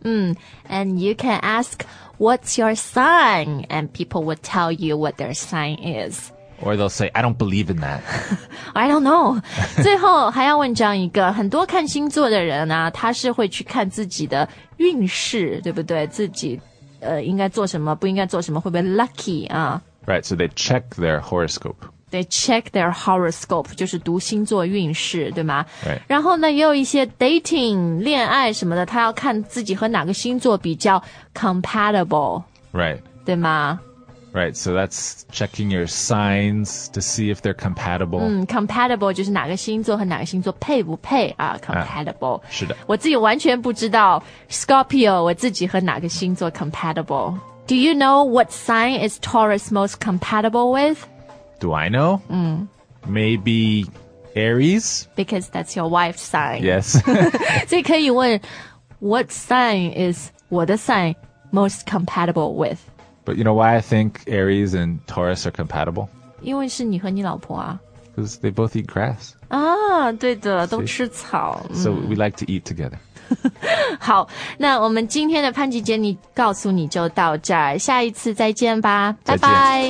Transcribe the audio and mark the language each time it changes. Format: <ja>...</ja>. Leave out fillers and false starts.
<en>And you can ask What's your sign? And people will tell you what their sign is Or they'll say, I don't believe in that. I don't know.</en> <zh>最后还要问这样一个，很多看星座的人啊，他是会去看自己的运势，对不对？自己应该做什么，不应该做什么，会不会 lucky 啊</zh> <en>？Right, so they check their horoscope. They check their horoscope,</en> <zh>就是读星座运势，对吗</zh> <en>？Right.</en> <zh>然后呢，也有一些 dating 恋爱什么的，他要看自己和哪个星座比较 compatible.</zh> <en>Right.</en> <zh>对吗？</zh> <en>Right, so that's checking your signs to see if they're compatible.</en> <zh>Compatible 就是哪个星座和哪个星座配不配啊 ,compatible. 是的。我自己完全不知道 Scorpio, 我自己和哪个星座 compatible.</zh> <en>Do you know what sign is Taurus most compatible with? Do I know? Maybe Aries? Because that's your wife's sign. Yes.</en> <zh>所以可以问</zh> <en>what sign is</en> <zh>我的</zh> <en>sign most compatible with? But you know why I think Aries and Taurus are compatible?</en> <zh>因为是你和你老婆啊。</zh> <en>Because they both eat grass.</en> <zh>啊，对的，都吃草。</zh> <en>So we like to eat together.</en> <zh>好，那我们今天的潘吉姐你告诉你就到这儿，下一次再见吧，拜拜。</zh>